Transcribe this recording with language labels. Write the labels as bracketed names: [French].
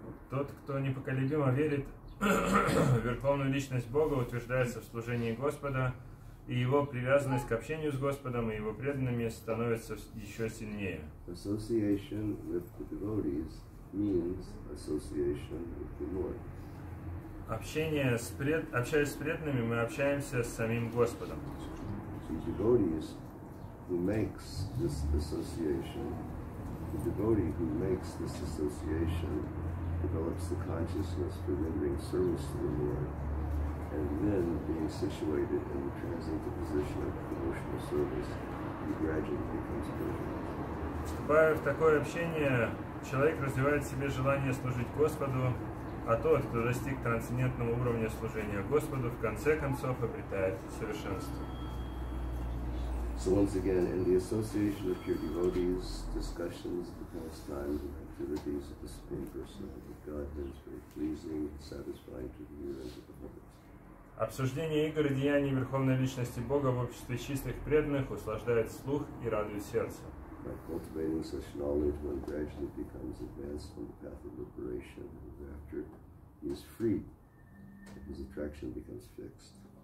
[Russian] Тот, кто непоколебимо верит в Верховную Личность Бога, утверждается в служении Господа, и его привязанность к общению с Господом и его преданными становится еще сильнее. [English] Association with the devotees means association with the Lord. [Russian] Общаясь с преданными, мы общаемся с самим Господом. [English] The devotee who makes this association, the devotee who makes this association develops the consciousness for rendering service to the Lord, and then being situated in the transcendental position of devotional service, he gradually becomes perfect. [Russian] Вступая в такое общение, человек развивает в себе желание служить Господу, а тот, кто достиг трансцендентного уровня служения Господу, в конце концов обретает совершенство. [English] So once again, in the association of pure devotees, discussions, the pastimes and activities of the Supreme Personality of Godhead is very pleasing and satisfying to the ear and to the heart. [Russian] Обсуждение игр и деяний Верховной Личности Бога в обществе чистых преданных услаждает слух и радует сердце. [English] By cultivating such knowledge, one gradually becomes advanced on the path of liberation, and after he is freed, his attraction becomes fixed.